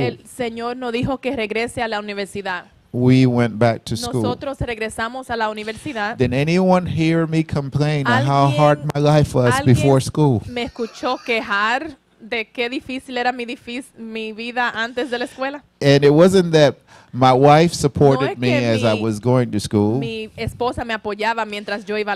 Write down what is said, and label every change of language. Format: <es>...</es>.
<es>El Señor nos dijo que regrese a la universidad.</es> <en>We went back to school.</en> <es>Nosotros regresamos a la universidad.</es> <en>Did anyone hear me complain of how hard my life was before school?</en> <es>Me escuchó quejar de qué difícil era mi vida antes de la escuela.</es> <en>And it wasn't that my wife supported me as I was going to school.</en> <es>Mi esposa me apoyaba mientras yo iba a la escuela.</es>